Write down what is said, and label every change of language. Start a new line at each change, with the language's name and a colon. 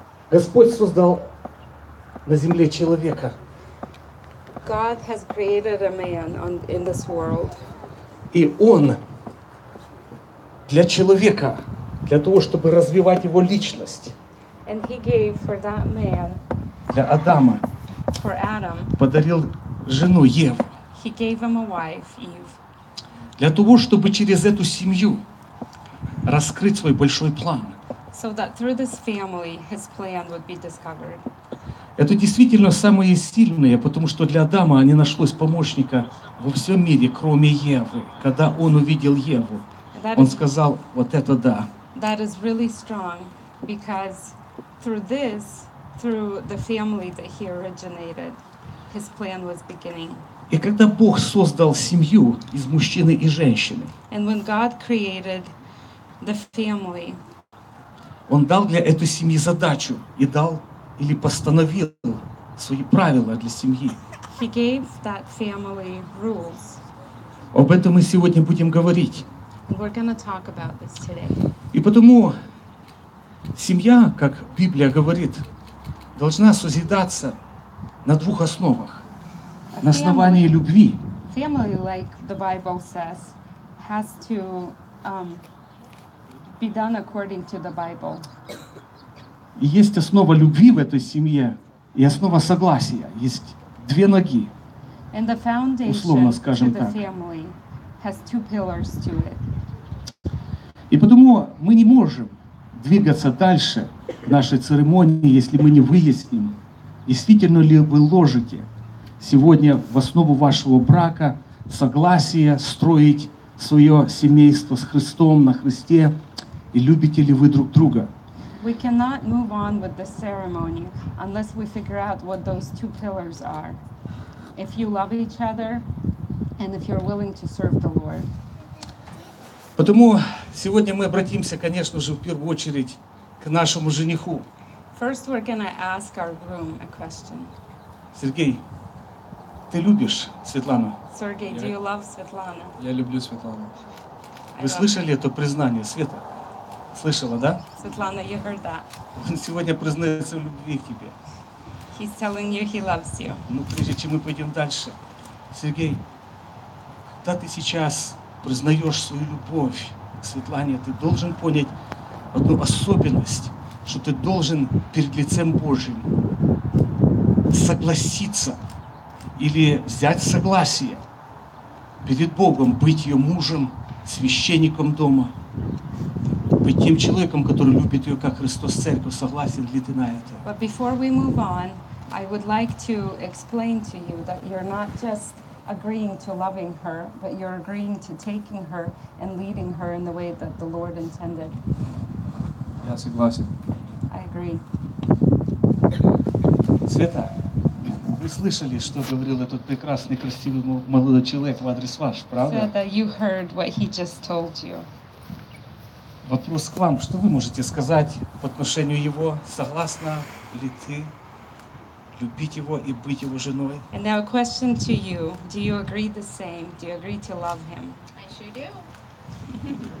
Russian: Господь создал на земле человека.
English: God has created a man on, in this world.
Russian: И он для человека, для того, чтобы развивать его личность.
English: And he gave for that man,
Russian: для Адама.
English: For Adam,
Russian: подарил жену Еву.
English: He gave him a wife, Eve.
Russian: Для того, чтобы через эту семью раскрыть свой большой план.
English: So that through this family, his plan would be discovered.
Russian: Это действительно самые сильные, потому что для Адама не нашлось помощника во всем мире, кроме Евы. Когда он увидел Еву, он сказал, вот это да.
English: That is really strong, because through this, through the family that he originated, his plan was beginning.
Russian: И когда Бог создал семью из мужчины и женщины,
English: and when God created the family,
Russian: он дал для этой семьи задачу и дал или постановил свои правила для семьи.
English: He gave that family rules.
Russian: Об этом мы сегодня будем говорить.
English: We're gonna talk about this today.
Russian: И потому семья, как Библия говорит, должна созидаться на двух основах.
English: Family,
Russian: на основании любви.
English: Family, like the Bible says, has to be done according to the Bible.
Russian: И есть основа любви в этой семье и основа согласия. Есть две ноги.
English: And the foundation,
Russian: условно скажем
English: to the
Russian: так.
English: Family has two pillars to it.
Russian: И потому мы не можем двигаться дальше в нашей церемонии, если мы не выясним, действительно ли вы ложите сегодня в основу вашего брака согласие строить свое семейство с Христом, на Христе, и любите ли вы друг друга.
English: We cannot move on with the ceremony unless we figure out what those two pillars are. If you love each other and if you're willing to serve the Lord.
Russian: Потому сегодня мы обратимся, конечно же, в первую очередь к нашему жениху.
English: First we're gonna ask our groom a question.
Russian: Сергей, ты любишь Светлану?
English: Сергей, do you love Светлану?
Russian: Я люблю Светлану. Вы слышали это признание, Света? Слышала, да?
English: Светлана, you heard that.
Russian: Он сегодня признается в любви к тебе.
English: He's telling you he loves you.
Russian: Ну, прежде чем мы пойдем дальше. Сергей, когда ты сейчас признаешь свою любовь к Светлане, ты должен понять одну особенность, что ты должен перед лицем Божьим согласиться или взять согласие перед Богом быть ее мужем, священником дома, быть тем человеком, который любит ее, как Христос Церковь. Согласен ли ты на это?
English: But before we move on, I would like to explain to you that you're not just agreeing to loving her, but you're agreeing to taking her and leading her in the way that the Lord intended.
Russian: Я согласен.
English: I agree.
Russian: Света, вы слышали, что говорил этот прекрасный, красивый молодой человек в адрес ваш, правда?
English: Света, you heard what he just told you.
Russian: Вопрос к вам. Что вы можете сказать по отношению его? Согласна ли ты любить его и быть его женой?
English: And now a question to you. Do you agree the same? Do you agree to love him? I sure do.